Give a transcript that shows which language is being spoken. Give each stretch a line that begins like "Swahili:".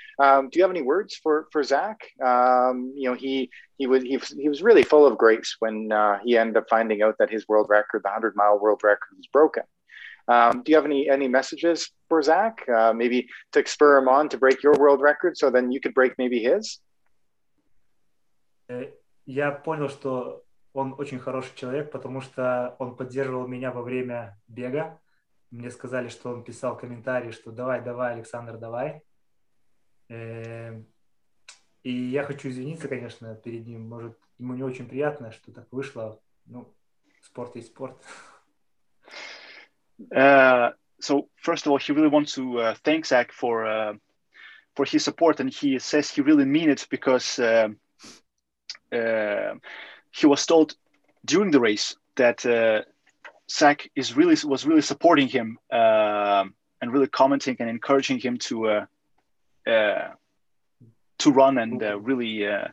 English: Do you have any words for Zach? You know, he was really full of grace when he ended up finding out that his world record, the 100-mile world record, was broken. Do you have any messages for Zach? Maybe to spur him on to break your world record, so then you could break maybe his.
Russian: Я понял, что он очень хороший человек, потому что он поддерживал меня во время бега. Мне сказали, что он писал комментарии, что давай, Александр, давай. И я хочу извиниться, конечно, перед ним. Может, ему не очень приятно, что так вышло. Ну, спорт есть спорт.
English: So first of all, he really wants to thank Zach for his support, and he says he really means it, because he was told during the race that Zach was really supporting him and really commenting and encouraging him to run and really